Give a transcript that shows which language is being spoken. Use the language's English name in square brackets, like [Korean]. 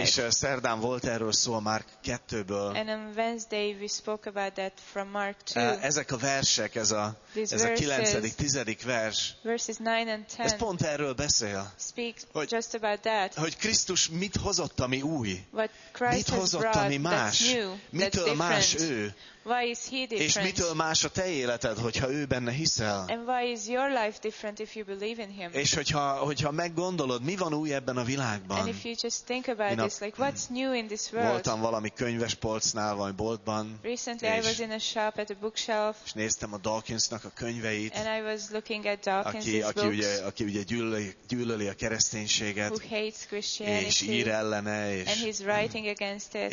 [Hungarian] És szerdán volt erről szó a Márk 2-ből. [English] And on Wednesday we spoke about that from Mark 2. [Hungarian] Ezek a versek, ez a 9. 10. vers, [English] verses 9 and 10, [Hungarian] ez pont erről beszél, hogy, [English] just about that, [Hungarian] hogy Krisztus mit hozott, ami új, [English] what Christ [Hungarian] mit hozott, ami más, [English] new, [Hungarian] mitől más ő, [English] why is he different? [Hungarian] És mitől más a te életed, hogyha ő benne hiszel. [English] And why is your life different if you believe in him? [Hungarian] És hogyha meggondolod, mi van új ebben a világban. [English] And if you just think about this, like what's new in this world? [Hungarian] Voltam valami könyvespolcnál, vagy boltban. [English] Recently I was in a shop at a bookshelf. [Hungarian] És néztem a Dawkinsnak a könyveit. [English] And I was looking at Dawkins' books. [Hungarian] Aki ugye gyűlöli a kereszténységet. [English] Who hates Christianity. [Hungarian] És ír ellene. És, [English] and he's writing against it.